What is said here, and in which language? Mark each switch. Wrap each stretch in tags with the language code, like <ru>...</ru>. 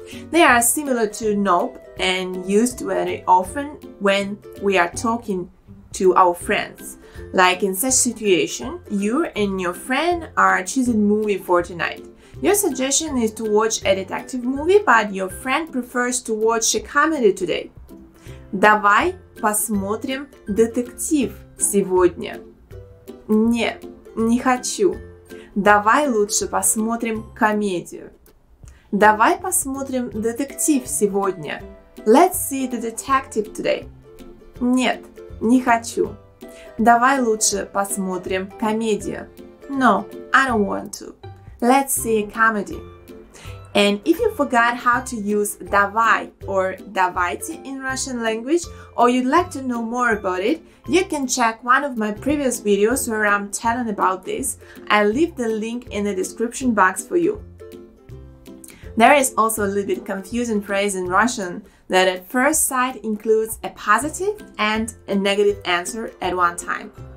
<en>They are similar to nope and used very often when we are talking to our friends. Like in such situation, you and your friend are choosing movie for tonight. Your suggestion is to watch a detective movie, but your friend prefers to watch a comedy today.</en> <ru>Давай посмотрим детектив сегодня. Не, не хочу. Давай лучше посмотрим комедию. Давай посмотрим детектив сегодня.</ru> <en>Let's see the detective today.</en> <ru>Нет, не хочу. Давай лучше посмотрим комедию.</ru> <en>No, I don't want to. Let's see a comedy. And if you forgot how to use давай or давайте in Russian language, or you'd like to know more about it, you can check one of my previous videos where I'm telling about this. I'll leave the link in the description box for you. There is also a little bit confusing phrase in Russian that at first sight includes a positive and a negative answer at one time.</en>